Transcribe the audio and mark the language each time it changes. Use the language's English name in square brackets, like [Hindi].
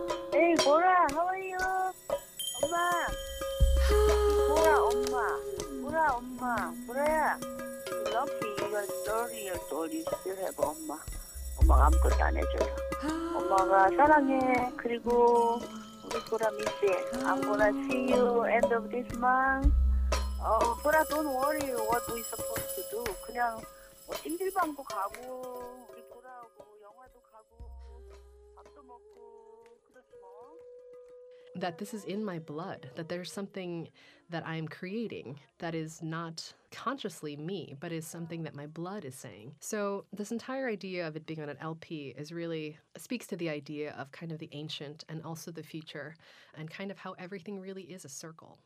[English] Hey, Bora, how are you? Mama. Bora, Mama. Bora, Mama. Bora, lucky you are 30 years old, you still have Mama. [Korean] Mama가 아무것도 안 해줘요. Mama가 사랑해. 그리고... [English] I'm gonna see you end of this month. Oh, Bora, don't worry. What we supposed to do? [Korean] 그냥 뭐 찜질방도 가고 우리 보라하고 영화도 가고 밥도 먹고 그렇지 뭐. [English] That this is in my blood, that there's something that I am creating that is not consciously me, but is something that my blood is saying. So this entire idea of it being on an LP is really speaks to the idea of kind of the ancient and also the future and kind of how everything really is a circle.